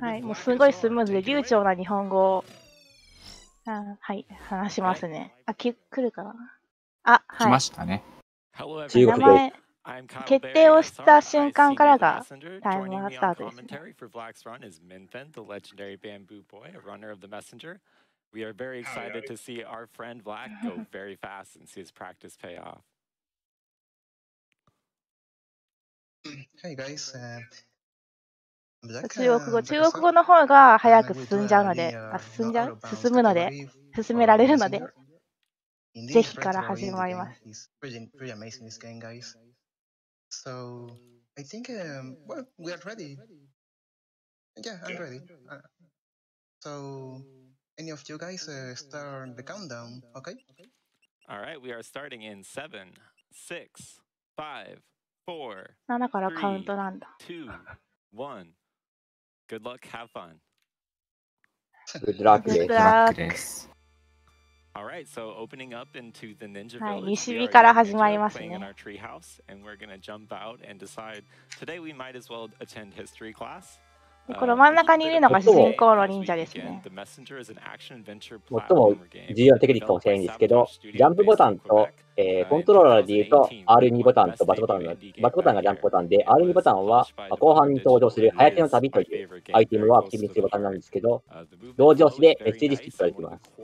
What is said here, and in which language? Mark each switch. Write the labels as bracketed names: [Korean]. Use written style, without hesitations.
[Japanese] はい、もうすごいスムーズで流暢な日本語を、はい、話しますね。あ、来るかな。あ、はい、来ましたね。中国語決定をした瞬間からがタイムアスタートです、ね。 [English] メンフェン、the legendary bamboo boy, a runner of the messenger. We are very excited to see our friend Black go very fast and see his practice pay off. Hey guys, [Japanese] 中国語の方が早く進んじゃうので、進むので、進められるので、ぜひから始まります。 [English] Pretty amazing this game, guys. So, I think, well, we are ready. Yeah, I'm ready. So, any of you guys, start the countdown, okay? All right, we are starting in 7, 6, 5, 4, [Japanese] 7からカウントなんだ。 [English] 2, 1. Good luck, have fun. Good luck. Good luck. All right, so opening up into the Ninja Village. And we're going to jump out and decide. Today we might as well attend history class. [Japanese] この真ん中にいるのが主人公の忍者ですね。最も重要なテクニックかもしれないんですけど、ジャンプボタンと、コントローラーでいうと R2 ボタンとバツボタンが、バツボタンがジャンプボタンで、R2 ボタンは後半に登場する早手の旅というアイテムをアクティブにするボタンなんですけど、同時押しでメッセージスキップができます。